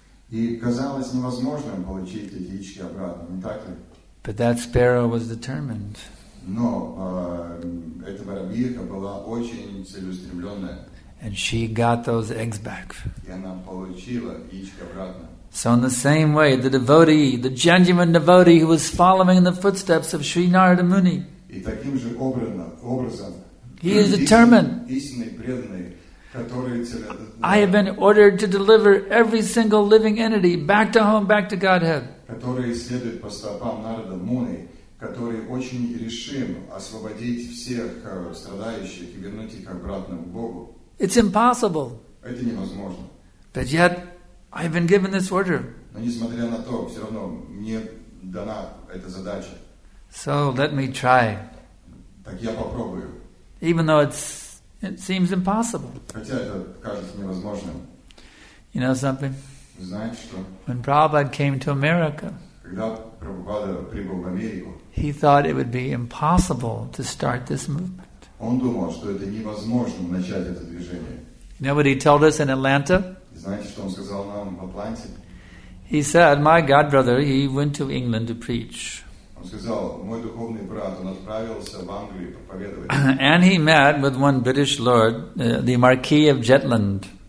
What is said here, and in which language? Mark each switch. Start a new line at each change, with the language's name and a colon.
Russian: И казалось невозможным получить эти яички обратно, не так ли?
English: But that sparrow was determined.
Russian: Но эта воробьиха была очень целеустремленная.
English: And she got those eggs back.
Russian: И она получила яички обратно.
English: So in the same way, the devotee, the genuine devotee who was following in the footsteps of Sri Narada Muni,
Russian: и таким же образом,
English: he is determined.
Russian: Истинный преданный.
English: I have been ordered to deliver every single living entity back to home, back to Godhead.
Russian: Который следует по стопам Нарада Муни, который очень решим освободить всех страдающих и вернуть их обратно к Богу.
English: It's impossible.
Russian: Это невозможно.
English: But yet, I've been given this order.
Russian: Но несмотря на то, все равно мне дана эта задача.
English: So let me try.
Russian: Так я попробую.
English: Even though it seems impossible.
Russian: Хотя это кажется невозможным.
English: You know something?
Russian: Знаете что?
English: When Prabhupada came to America,
Russian: когда Прабхупада прибыл в Америку,
English: he thought it would be impossible to start this movement.
Russian: Он думал, что это невозможно начать это движение.
English: You know what he told us in Atlanta?
Russian: Знаете, что он сказал нам в Атланте?
English: He said, my God brother, he went to England to preach.
Russian: Он сказал, мой духовный брат, он отправился в Англию проповедовать.
English: And he met with one British lord, the Marquis of Jetland.